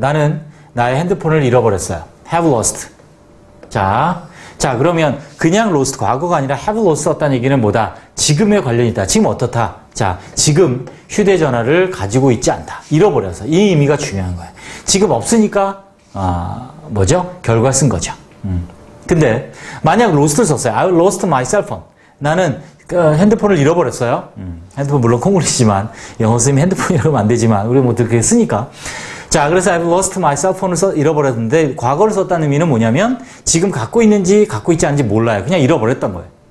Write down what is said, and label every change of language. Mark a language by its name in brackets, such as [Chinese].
[Korean] 나는 나의 핸드폰을 잃어버렸어요. [English] Have lost. [Korean] 자, 그러면 그냥 lost, 과거가 아니라 have lost였다는 얘기는 뭐다? 지금에 관련이 있다. 지금 어떻다? 자, 지금 휴대전화를 가지고 있지 않다. 잃어버려서. 이 의미가 중요한 거예요. 지금 없으니까 뭐죠? 결과 쓴 거죠. 근데 만약 lost를 썼어요. [English] I lost my cell phone. [Korean] 나는 핸드폰을 잃어버렸어요. 핸드폰 물론 콩글리시지만 영어 쓰면 핸드폰이라고 하면 안 되지만 우리 뭐 그렇게 쓰니까. 자, 그래서 [English] I've lost my cell phone [Korean] 을 잃어버렸는데 과거를 썼다는 의미는 뭐냐면 지금 갖고 있는지 갖고 있지 않은지 몰라요. 그냥 잃어버렸던 거예요.